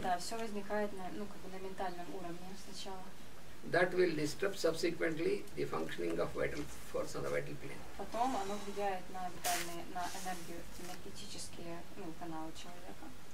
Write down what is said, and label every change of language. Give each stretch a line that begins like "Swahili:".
Russian: Да, все возникает на, ну как бы на ментальном уровне сначала.
English: That will disturb subsequently the functioning of vital force on the vital plane.
Russian: Потом оно влияет на витальные, на энергию, энергетические, ну, каналы человека.